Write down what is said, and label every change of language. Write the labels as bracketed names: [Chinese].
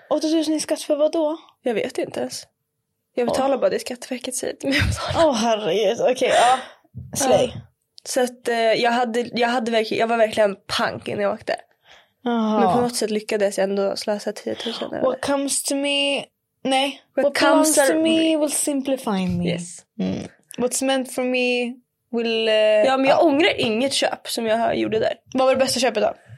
[Swedish] 80 000 i skatt för vad då? Jag vet inte ens. Jag betalar bara det Skatteverket säger till mig. Åh herregud, okej, ja. Slay. Så att jag var verkligen punk när jag åkte. Men på något sätt lyckades jag ändå slösa 10 000. Eller? [English] What comes to me... [Swedish] Nej. [English] What comes to me will simply find me. Yes. What's meant for me Will, [Swedish] ja, men jag ångrar inget köp som jag gjorde där. Vad var det bästa köpet då?